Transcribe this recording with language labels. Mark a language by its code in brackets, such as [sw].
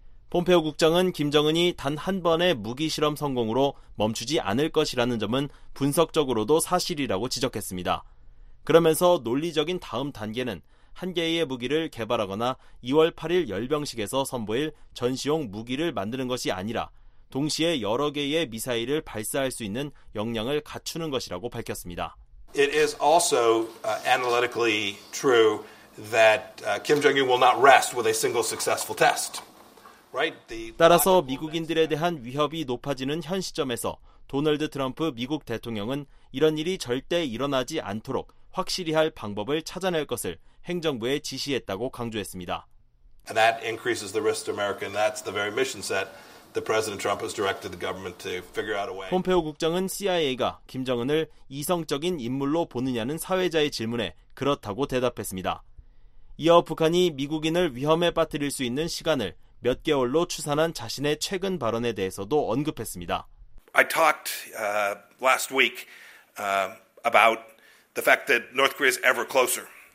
[ko] 폼페오 국장은 김정은이 단 한 번의 무기 실험 성공으로 멈추지 않을 것이라는 점은 분석적으로도 사실이라고 지적했습니다. 그러면서 논리적인 다음 단계는 한 개의 무기를 개발하거나 2월 8일 열병식에서 선보일 전시용 무기를 만드는 것이 아니라 동시에 여러 개의 미사일을 발사할 수 있는 역량을 갖추는 것이라고 밝혔습니다. [en] It is also analytically true that Kim Jong-un will not rest with a single successful test. Right? [ko] 따라서 미국인들에 대한 위협이 높아지는 현 시점에서 도널드 트럼프 미국 대통령은 이런 일이 절대 일어나지 않도록 확실히 할 방법을 찾아낼 것을 행정부에 지시했다고 강조했습니다. [en] And that increases the risk to America, and that's the very mission set. The President Trump has directed the government to figure out a way. [ko] 폼페오 국장은 CIA가 김정은을 이성적인 인물로 보느냐는 사회자의 질문에 그렇다고 대답했습니다. 이어 북한이 미국인을 위험에 빠뜨릴 수 있는 시간을 몇 개월로 추산한 자신의 최근 발언에 대해서도 언급했습니다. [en] I talked last week about the fact that North Korea is ever closer.